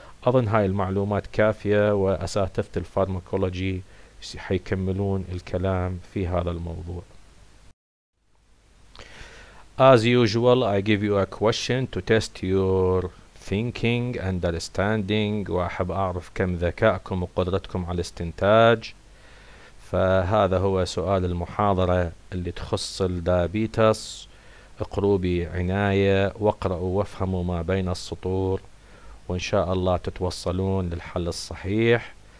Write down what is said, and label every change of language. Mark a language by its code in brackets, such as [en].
[ar] اظن هاي المعلومات كافية، واساتذة الفارماكولوجي حيكملون الكلام في هذا الموضوع. [en] As usual, I give you a question to test your thinking and understanding. [ar] وأحب أعرف كم ذكائكم وقدرتكم على الاستنتاج. فهذا هو سؤال المحاضرة اللي تخص الدايابيتس. اقروا بعناية واقرأوا وافهموا ما بين السطور، وإن شاء الله تتوصلون للحل الصحيح.